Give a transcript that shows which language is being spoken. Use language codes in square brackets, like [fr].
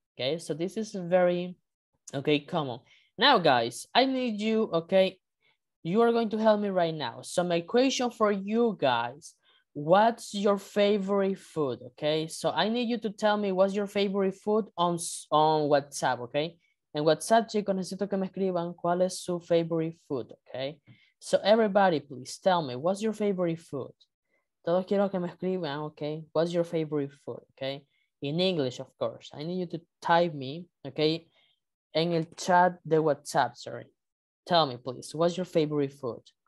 [en] Okay, so this is very, okay, common. Now, guys, I need you, okay? You are going to help me right now. So my question for you guys, what's your favorite food, okay? So I need you to tell me what's your favorite food on WhatsApp, okay? [es] En WhatsApp, chicos, necesito que me escriban cuál es su [en] favorite food, [es] okay? [en] So everybody, please tell me, what's your favorite food? [es] Todos quiero que me escriban, [en] okay? What's your favorite food, okay? In English, of course. I need you to type me, okay? [es] En el chat de WhatsApp, [en] sorry. Tell me, please, what's your favorite food?